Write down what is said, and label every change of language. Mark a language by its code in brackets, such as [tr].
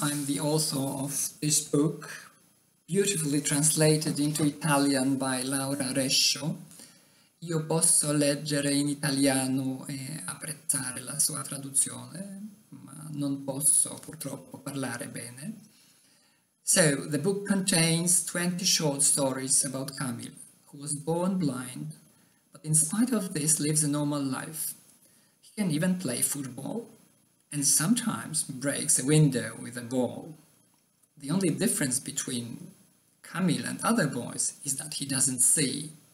[en] I'm the author of this book, beautifully translated into Italian by Laura Rescio. [it] Io posso leggere in italiano e apprezzare la sua traduzione, ma non posso purtroppo parlare bene. [en] So, the book contains 20 short stories about Camille, who was born blind, but in spite of this lives a normal life. He can even play football, and sometimes breaks a window with a ball. The only difference between Camille and other boys is that he doesn't see.